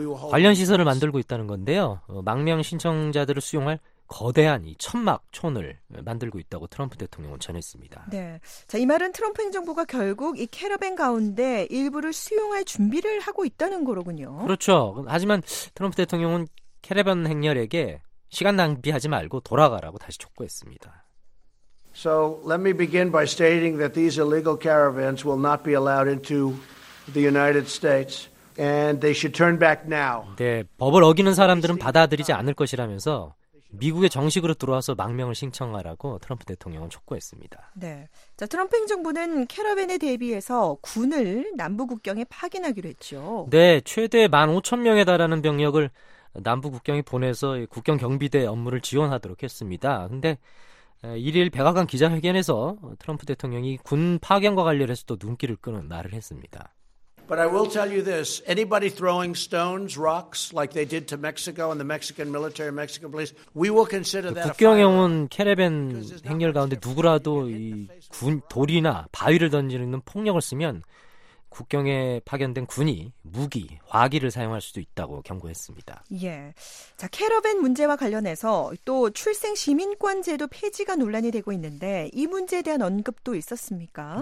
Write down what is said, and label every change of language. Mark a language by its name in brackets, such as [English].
[Korean] 관련 시설을 만들고 있다는 건데요. 망명 신청자들을 수용할 거대한 이 천막촌을 만들고 있다고 트럼프 대통령은 전했습니다. 네. 자, 이 말은 트럼프 행정부가 결국 이 캐러밴 가운데 일부를 수용할 준비를 하고 있다는 거로군요. 그렇죠. 하지만 트럼프 대통령은 캐러밴 행렬에게 시간 낭비하지 말고 돌아가라고 다시 촉구했습니다. [English] So let me begin by stating that these illegal caravans will not be allowed into the United States. And they should turn back now. [Korean] 네, 법을 어기는 사람들은 받아들이지 않을 것이라면서 미국에 정식으로 들어와서 망명을 신청하라고 트럼프 대통령은 촉구했습니다. 네, 자 트럼프 행정부는 캐러밴에 대비해서 군을 남부 국경에 파견하기로 했죠. 네, 최대 15,000명에 달하는 병력을 남부 국경에 보내서 국경 경비대 업무를 지원하도록 했습니다. 그런데 1일 백악관 기자회견에서 트럼프 대통령이 군 파견과 관련해서 또 눈길을 끄는 말을 했습니다. [English] But I will tell you this. Anybody throwing stones, rocks, like they did to Mexico and the Mexican military, Mexican police, we will consider that. [Korean] 국경에 온 캐러밴 행렬 가운데 누구라도 이 군 돌이나 바위를 던지는 폭력을 쓰면 국경에 파견된 군이 무기, 화기를 사용할 수도 있다고 경고했습니다. 예. 자, 캐러밴 문제와 관련해서 또 출생 시민권 제도 폐지가 논란이 되고 있는데 이 문제에 대한 언급도 있었습니까?